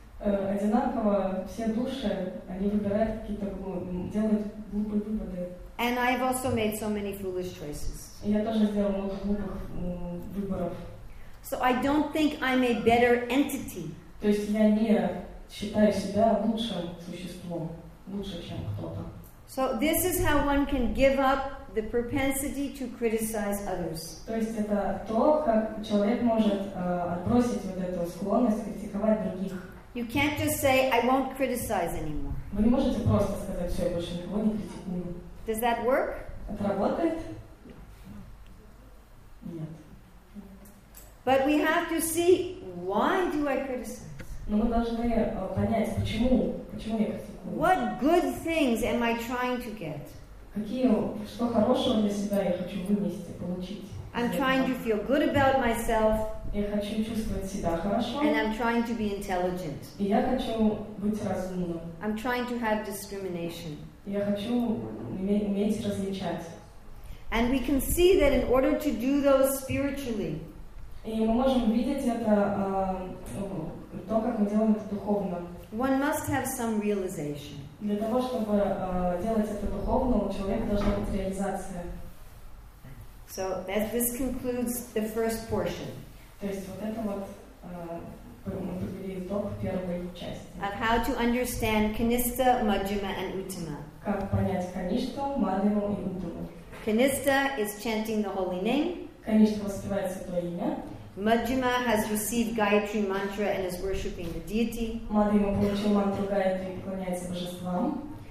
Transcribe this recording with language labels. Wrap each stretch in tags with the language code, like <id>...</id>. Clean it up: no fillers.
<ru>Одинаково все души, они выбирают какие-то, делают глупые выводы.</ru> <en>And I've also made so many foolish choices.</en> <ru>И я тоже сделал много глупых выборов.</ru> <en>So I don't think I'm a better entity.</en> <ru>То есть я не считаю себя лучшим существом, лучше, чем кто-то.</ru> <en>So this is how one can give up the propensity to criticize others.</en> <ru>То есть это то, как человек может отбросить вот эту склонность критиковать других.</ru> <en>You can't just say, I won't criticize anymore.</en> <ru>Вы не можете просто сказать, все, я больше никого не критикую.</ru> <en>Does that work?</en> <ru>Это работает? Нет.</ru> <en>But we have to see, why do I criticize?</en> <ru>Но мы должны понять, почему я критикую.</ru> <en>What good things am I trying to get?</en> <ru>Что хорошего для себя я хочу вынести, получить?</ru> <en>I'm trying to feel good about myself.</en> <ru>Я хочу чувствовать себя хорошо.</ru> <en>And I'm trying to be intelligent.</en> <ru>И я хочу быть разумным.</ru> <en>I'm trying to have discrimination.</en> <ru>Я хочу уметь различать.</ru> <en>And we can see that in order to do those spiritually.</en> <ru>И мы можем видеть это то, как мы делаем это духовно.</ru> <en>One must have some realization.</en> <ru>Для того, чтобы делать это духовно, у человека должна быть реализация.</ru> <en>So that this concludes the first portion.</en> <ru>То есть вот это вот мы подвели итог первой части.</ru> <en>Of how to understand Kanista, Madhyama, and Uttama.</en> <ru>Как понять Каништу, Мадхиму и Уттаму.</ru> <en>Kanista is chanting the holy name.</en> <ru>Каништа воспевает святое имя.</ru> <en>Madhyama has received Gayatri mantra and is worshipping the deity.</en> <ru>Madhyama получил мантру Гайатри и поклоняется божествам.</ru>